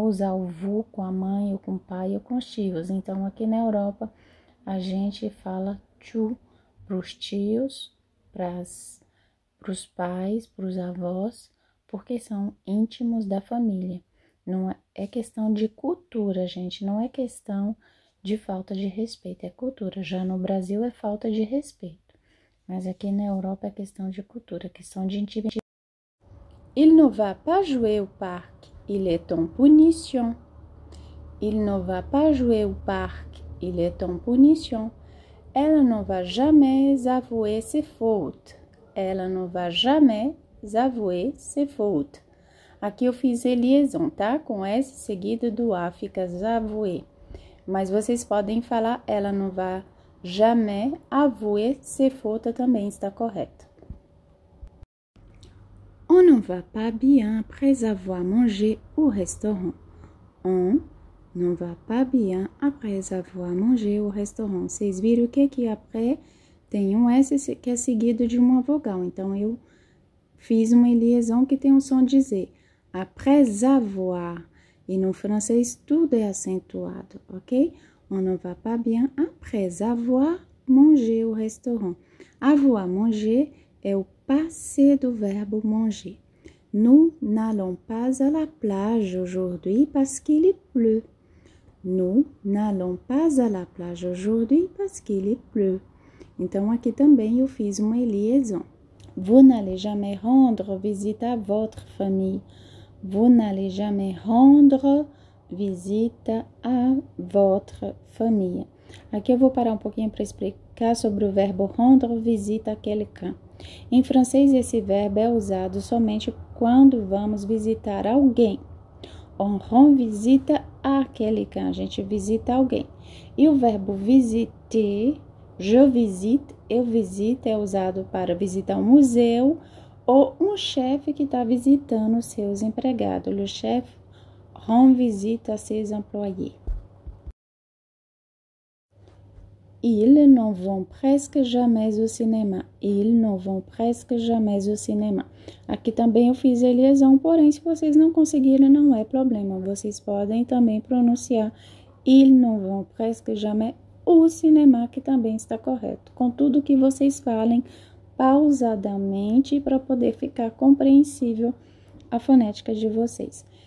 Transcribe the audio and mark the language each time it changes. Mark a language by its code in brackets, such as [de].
[pt] Usar o vous com a mãe, ou com o pai, ou com os tios. Então, aqui na Europa, a gente fala tu para os tios, para os pais, para os avós, porque são íntimos da família. Não é questão de cultura, gente. Não é questão de falta de respeito. É cultura. Já no Brasil é falta de respeito. Mas aqui na Europa é questão de cultura, questão de intimidade. [fr] Il ne va pas jouer au parc, il est en punition. Il ne va pas jouer au parc, il est en punition. Elle ne va jamais avouer ses fautes. [pt] Ela não vai jamais [fr] avouer ses fautes. [pt] Aqui eu fiz a liaison, tá? Com S seguido do A, fica avouer. Mas vocês podem falar, ela não vai jamais [fr] avouer ses fautes [pt] também, está correto. [fr] On ne va pas bien après avoir mangé au restaurant. On ne va pas bien après avoir mangé au restaurant. [pt] Vocês viram que après tem um S que é seguido de uma vogal. Então, eu fiz uma liaison que tem um som de Z. [fr] Après avoir. [pt] E no francês, tudo é acentuado, ok? [fr] On ne va pas bien après avoir mangé au restaurant. Avoir mangé [pt] é o passé do verbo manger. [fr] Nous n'allons pas à la plage aujourd'hui parce qu'il pleut. Nous n'allons pas à la plage aujourd'hui parce qu'il pleut. [pt] Então, aqui também eu fiz uma liaison. [fr] Vous n'allez jamais rendre visite à votre famille. Vous n'allez jamais rendre visite à votre famille. [pt] Aqui eu vou parar um pouquinho para explicar sobre o verbo [fr] rendre visite à quelqu'un. [pt] Em francês, esse verbo é usado somente quando vamos visitar alguém. [fr] On rend visite à quelqu'un. [pt] A gente visita alguém. E o verbo visiter, [fr] je visite, [pt] eu visito, é usado para visitar um museu ou um chefe que está visitando seus empregados. [fr] Le chef rend visite à ses employés. Ils ne vont presque jamais au cinéma. Ils ne vont presque jamais au cinéma. [pt] Aqui também eu fiz a liaison, porém, se vocês não conseguirem, não é problema. Vocês podem também pronunciar. [fr] Ils ne vont presque jamais au cinéma, [pt] que também está correto. Contudo, que vocês falem pausadamente para poder ficar compreensível a fonética de vocês.